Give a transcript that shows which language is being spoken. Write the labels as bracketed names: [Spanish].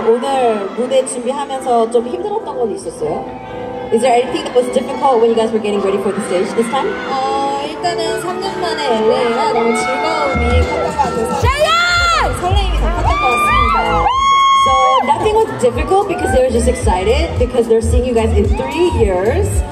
[Korean] 오늘 무대 준비하면서 좀 힘들었던 건 있었어요? [English] Is there anything that was difficult when you guys were getting ready for the stage this time? [Korean] 일단은 3년 만에 LA가 너무 즐거움이 컸던 것 같아서 설레임이 더 컸던 것 같습니다. [English] So nothing was difficult because they were just excited because they're seeing you guys in 3 years.